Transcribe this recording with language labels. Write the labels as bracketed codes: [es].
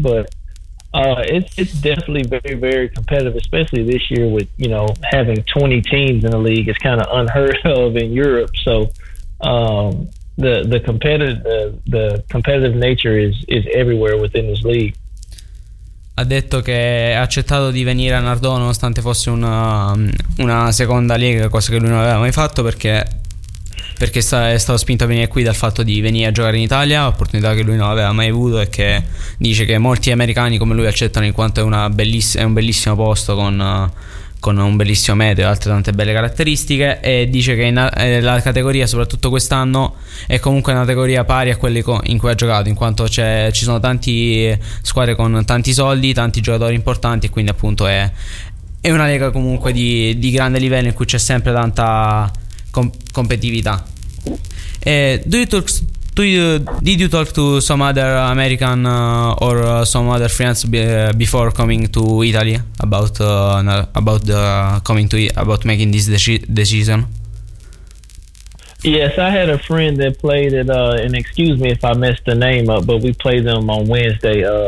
[en] But it's definitely very, very competitive, especially this year with, you know, having 20 teams in the league. It's kind of unheard of in Europe. So the competitive nature is everywhere within this league. [it] Ha detto che ha accettato di venire a Nardò nonostante fosse una seconda lega, cosa che lui non aveva mai fatto, perché è stato spinto a venire qui dal fatto di venire a giocare in Italia, opportunità che lui non aveva mai avuto, e che dice che molti americani come lui accettano in quanto è un bellissimo posto con un bellissimo meteo e altre tante belle caratteristiche. E dice che la categoria, soprattutto quest'anno, è comunque una categoria pari a quelle in cui ha giocato, in quanto ci sono tanti squadre con tanti soldi, tanti giocatori importanti, e quindi appunto è una lega comunque di grande livello, in cui c'è sempre tanta competitività. [en] Did you talk to some other American or some other friends before coming to Italy about making this decision? Yes, I had a friend that played it, and excuse me if I messed the name up, but we played them on Wednesday.